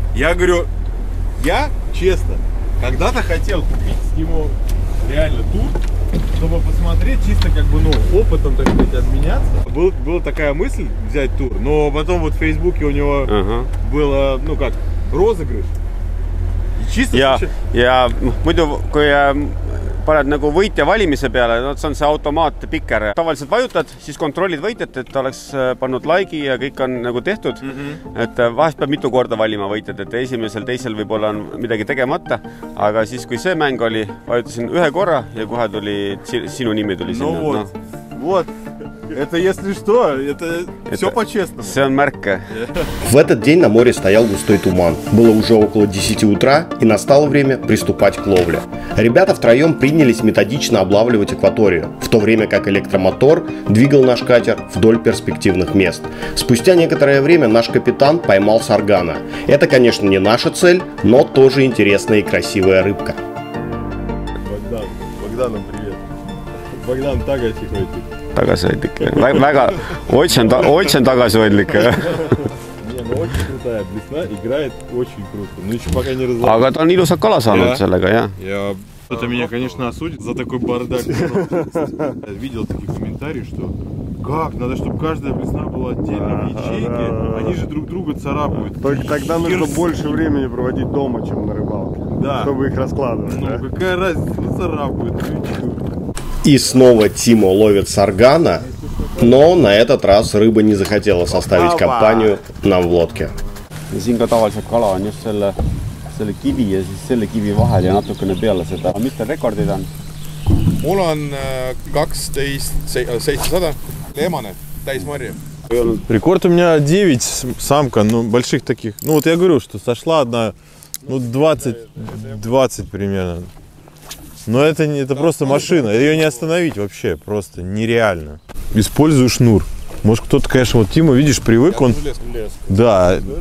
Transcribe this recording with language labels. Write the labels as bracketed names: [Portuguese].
[Russian] Я говорю, я, честно, когда-то хотел купить с ним реально тур, чтобы посмотреть чисто как бы, ну, опытом, так сказать, обменяться. Была такая мысль взять тур, но потом вот в Фейсбуке у него было, ну как, розыгрыш. И чисто... Я, мы только... [Estonian] Paned nagu võitja valimise peale, no, see on see automaat picker. Tavaliselt vajutad, siis kontrollid võitjat, et oleks pannud like ja kõik on nagu tehtud. Mm-hmm. Et vahest peab mitu korda valima võitjat, et esimesel, teisel võib-olla on midagi tegemata. Aga siis, kui see mäng oli, vajutasin ühe korra ja kohe tuli, sinu nimi tuli no sinna. [Russian] Vot. No vot. Это если что, это все по-честному. Все мерке. В этот день на море стоял густой туман. Было уже около 10 утра, и настало время приступать к ловле. Ребята втроем принялись методично облавливать акваторию, в то время как электромотор двигал наш катер вдоль перспективных мест. Спустя некоторое время наш капитан поймал саргана. Это, конечно, не наша цель, но тоже интересная и красивая рыбка. Богдан, Богдану привет. Богдан, так я тихо идти. [Estonian] Tagasihoidlik. Väga [Russian] очень [Estonian] tagasihoidlik. [Russian] Не, ну очень крутая блесна, играет очень круто. Ну ещё пока не разобрался. [Estonian] Aga ta on ilusat kala saanud sellega, ja. Ja [Russian] Кто-то меня, конечно, осудит за такой бардак. Видел такие комментарии, что как? Надо, чтобы каждая весна была отдельно в ячейке. Они же друг друга царапают. Только тогда нужно больше времени проводить дома, чем на рыбалке. Да. Чтобы их раскладывать. Ну, какая разница, царапают. И снова Тимо ловит саргана, но на этот раз рыба не захотела составить компанию нам в лодке. [Estonian] Siin ka tavaliselt kala on just selle kivi ja siis selle kivi vahel ja natukene peale seda. Mis te rekordid on? Mul on 12700 лемане täismarja. [Russian] Рекорд у меня 9 самка, ну больших таких. Ну вот я говорю, что сошла одна, ну 20 примерно. Но это просто машина, ее не остановить вообще, просто нереально. Использую шнур. Может кто-то, конечно, вот Тима, видишь, привык, он... Да.